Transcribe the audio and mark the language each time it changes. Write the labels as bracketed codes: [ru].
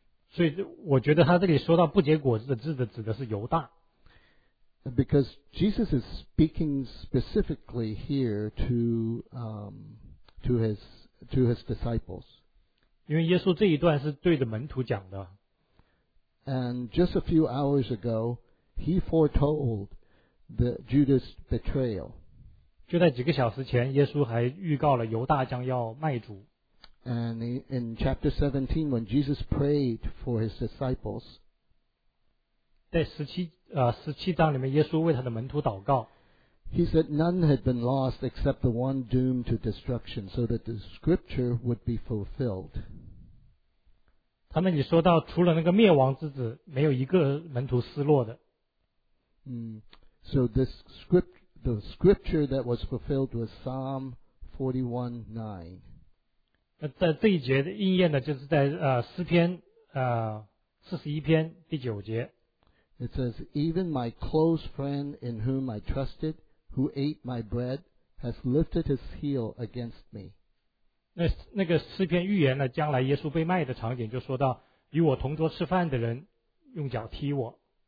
[zh] 所以我觉得他这里说到不结果子的枝子，指的是犹大。 [en] Because Jesus is speaking specifically here to his disciples. [zh] 因为耶稣这一段是对着门徒讲的。 [en] And just a few hours ago, he foretold the Judas betrayal. [zh] 就在几个小时前，耶稣还预告了犹大将要卖主。 [en] And in chapter 17, when Jesus prayed for his disciples, [zh] 在十七章里面，耶稣为他的门徒祷告。 [en] He said none had been lost except the one doomed to destruction, so that the scripture would be fulfilled. [zh] 他那里说到，除了那个灭亡之子，没有一个门徒失落的。 [en] So the scripture that was fulfilled was Psalm 41:9. [zh] 那在这一节应验的就是在诗篇四十一篇第九节。 [en] It says, "Even my close friend in whom I trusted." Who ate my bread has lifted his heel against me. [zh] 那个诗篇预言了将来耶稣被卖的场景，就说到与我同桌吃饭的人用脚踢我。